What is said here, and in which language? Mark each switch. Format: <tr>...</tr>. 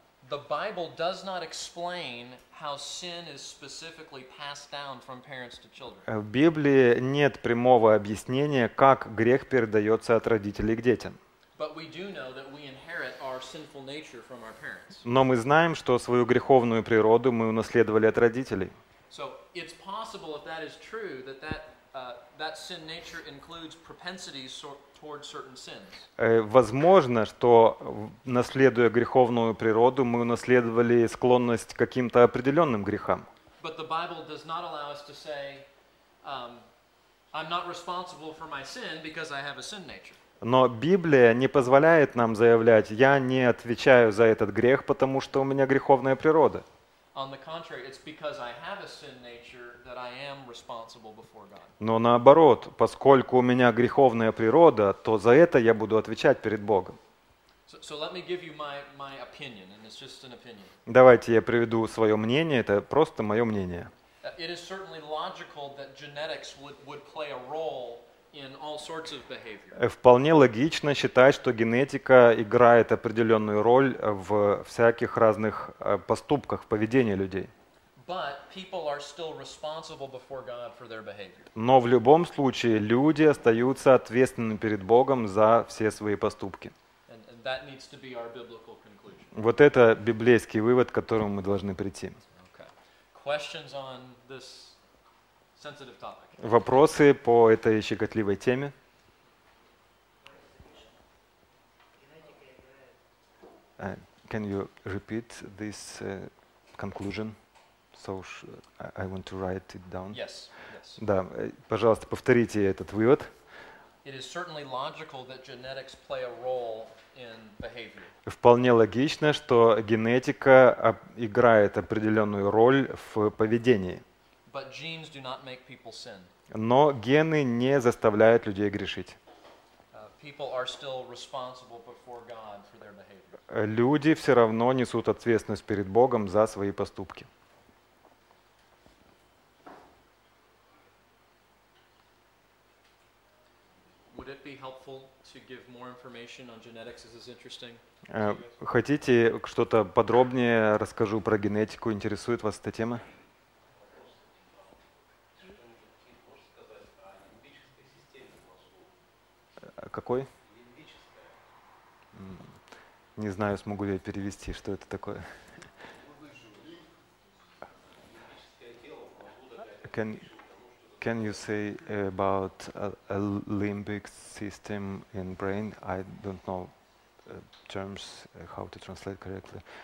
<en>The Bible does not explain how sin is specifically passed down from parents to children.</en> <ru>В Библии нет прямого объяснения, как грех передается от родителей к детям.</ru> <en>But we do know that we inherit our sinful nature from our parents.</en> <ru>Но мы знаем, что свою греховную природу мы унаследовали от родителей.</ru> <en>So it's possible if that is true that that sin nature includes propensities toward certain sins.</en> <ru>Возможно, что наследуя греховную природу, мы унаследовали склонность к каким-то определенным грехам.</ru> <en>But the Bible does not allow us to say, I'm not responsible for my sin because I have a sin nature.</en> <ru>Но Библия не позволяет нам заявлять, я не отвечаю за этот грех, потому что у меня греховная природа.</ru> <en>On the contrary, it's because I have a sin nature that I am responsible before God.</en> <ru>Но наоборот, поскольку у меня греховная природа, то за это я буду отвечать перед Богом.</ru> <en>So let me give you my opinion, and it's just an opinion.</en> <ru>Давайте я приведу свое мнение, это просто мое мнение.</ru> <en>It is certainly logical that genetics would play a role in all sorts of behavior.</en> <ru>Вполне логично считать, что генетика играет определенную роль в всяких разных поступках, поведении людей.</ru> <en>But people are still responsible before God for their behavior.</en> <ru>Но в любом случае люди остаются ответственными перед Богом за все свои поступки.</ru> <en>And that needs to be our biblical conclusion.</en> <ru>Вот это библейский вывод, к которому мы должны прийти.</ru> <en>Okay. Questions on this sensitive topic.</en> <ru>Вопросы по этой щекотливой теме?</ru> <en>Can you repeat this conclusion? So I want to write it down. Yes.</en> <ru>Да, пожалуйста, повторите этот вывод.</ru> <en>It is certainly logical that genetics play a role in behavior.</en> <ru>Вполне логично, что генетика играет определенную роль в поведении.</ru> <en>But genes do not make people sin.</en> <ru>Но гены не заставляют людей грешить.</ru> <en>People are still responsible before God for their behavior.</en> <ru>Люди все равно несут ответственность перед Богом за свои поступки.</ru> <en>Would it be helpful to give more information on genetics? This is interesting.</en> <ru>Хотите что-то подробнее расскажу про генетику? Интересует вас эта тема? Какой? Не знаю, смогу ли я перевести, что это такое.</ru> <en>Can you say about a limbic system in brain? I don't know terms how to translate correctly.</en>